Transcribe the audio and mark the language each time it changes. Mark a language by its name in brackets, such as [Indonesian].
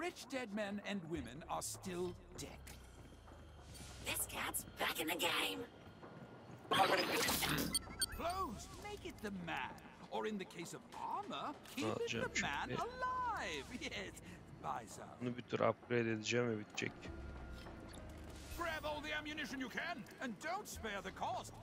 [English] Dead men and women are still dead. This cat's back in the game. Close. Make it the man. Or in the case of armor, keep it the man alive. Yes. Bizer. [Turkish] Bunu bir tur upgrade edeceğim ve bitecek. [English] Grab all the ammunition you can and don't spare the cost.